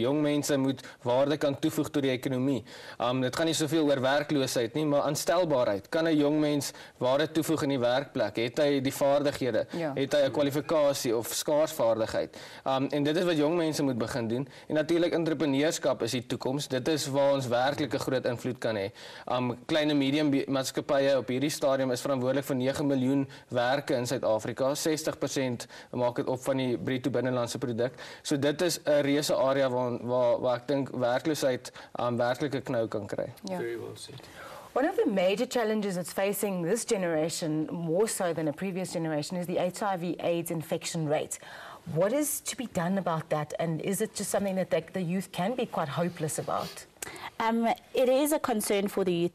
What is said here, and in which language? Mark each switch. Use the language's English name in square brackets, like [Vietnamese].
[Afrikaans] Jong mense moet waarde kan toevoeg tot die ekonomie. Dit gaan nie soveel oor werkloosheid nie, maar aanstelbaarheid. Kan 'n jong mens waarde toevoeg in die werkplek? Het hy die vaardighede? Ja. Het hy 'n kwalifikasie of skaars vaardigheid? En dit is wat jong mense moet begin doen. En natuurlik entrepreneurskap is die toekoms. Dit is waar ons werklik 'n groot invloed kan hê. Klein en medium maatskappye op hierdie stadium is verantwoordelik vir 9 miljoen werke in Suid-Afrika. 60% maak dit op van die bruto binnenlandse produk. So dit is 'n reuse area waar ek dink werkloosheid werklike knou kan kry. Ja. [English] Very well said. One of the major challenges it's facing this generation, more so than a previous generation, is the HIV/AIDS infection rate. What is to be done about that? And is it just something that the youth can be quite hopeless about? It is a concern for the youth.